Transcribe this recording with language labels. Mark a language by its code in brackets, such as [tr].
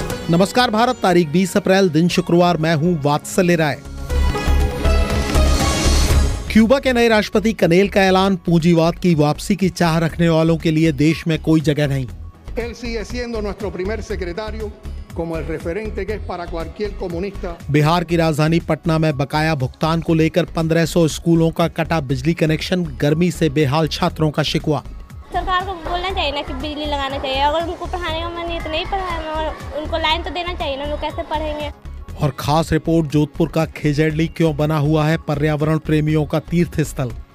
[hi] नमस्कार भारत, तारीख 20 अप्रैल दिन शुक्रवार, मैं हूं वात्सल्य राय। क्यूबा के नए राष्ट्रपति कनेल का ऐलान, पूंजीवाद की वापसी की चाह रखने वालों के लिए देश में कोई जगह नहीं। [es] Él sigue siendo nuestro primer secretario como el referente que es para cualquier comunista। [hi] Bihar की राजधानी पटना में बकाया भुगतान को लेकर 1500 स्कूलों का कटा बिजली कनेक्शन, गर्मी से बेहाल छात्रों का शिकवा। सरकार को बोलना चाहिए ना कि बिजली लगाना चाहिए, अगर उनको पढ़ाने का मन इतना ही पढ़ाना, उनको लाइन तो देना चाहिए ना, वो कैसे पढ़ेंगे। और खास रिपोर्ट, जोधपुर का खेजड़ली क्यों बना हुआ है पर्यावरण प्रेमियों का तीर्थ स्थल।